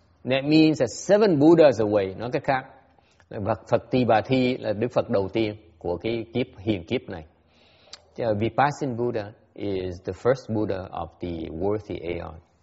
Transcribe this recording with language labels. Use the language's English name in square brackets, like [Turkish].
[English] That means that seven Buddhas away. [Vietnamese] Nói cách khác, Phật Tỳ Bà Thi là Đức Phật đầu tiên của cái kiếp hiền kiếp này. [English] Vipassana Buddha is the first Buddha of the worthy aeon.